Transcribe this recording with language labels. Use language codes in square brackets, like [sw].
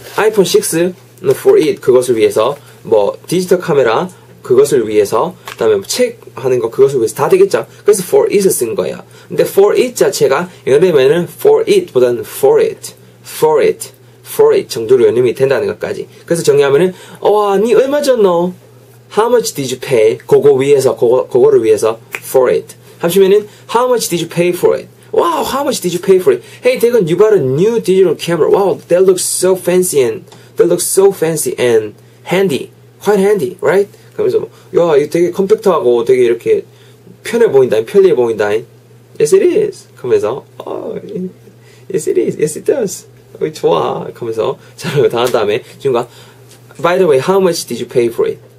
[ko] iPhone 6 [en] for it, [ko] 그것을 위해서, 뭐 디지털 카메라 그것을 위해서, 그 다음에 책 하는 거 그것을 위해서 다 되겠죠. 그래서 [en] for it [ko] 을 쓴 거예요. 근데 for it 자체가 이러면은 for it 보다는 for it, for it, for it 정도로 연임이 된다는 것까지. 그래서 정리하면은 와, 니 얼마 줬노? [en] How much did you pay? [ko] 그거 위해서, 그거를 위해서 [en] for it. 하시면은 How much did you pay for it? Wow, how much did you pay for it? Hey, 대건, you bought a new digital camera. Wow, that looks so fancy and that looks so fancy and handy. Quite handy, right? [ko] 그러면서 야, 이거 되게 컴팩트하고 되게 이렇게 편해 보인다, 편리해 보인다. [en] Yes, it is. [ko] 그러면서 [en] Yes, it is. Yes, it does. [ko] 좋아. 그러면서 자, 다음 다음에 지금과 [en] By the way, how much did you pay for it?